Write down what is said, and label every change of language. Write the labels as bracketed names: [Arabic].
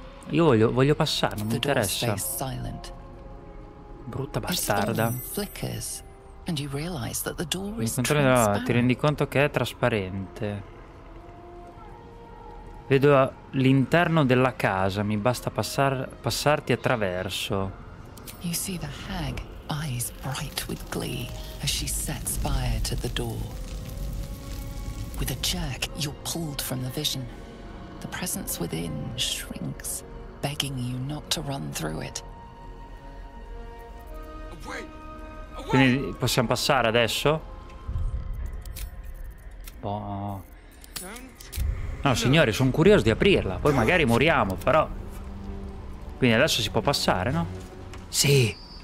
[Italian] Io voglio passare, non mi interessa. Brutta bastarda. Ti rendi conto che è trasparente. Vedo l'interno della casa, mi basta passarti attraverso. [English] You see the hag, eyes bright with glee, as she sets fire to the door. With a jerk, you're pulled from the vision. The presence within shrinks, begging you not to run through it. Away. Away. [Italian] Quindi possiamo passare adesso? Boh. No, signori, sono curioso di aprirla. Poi magari moriamo, però. Quindi adesso si può passare, no? Sì.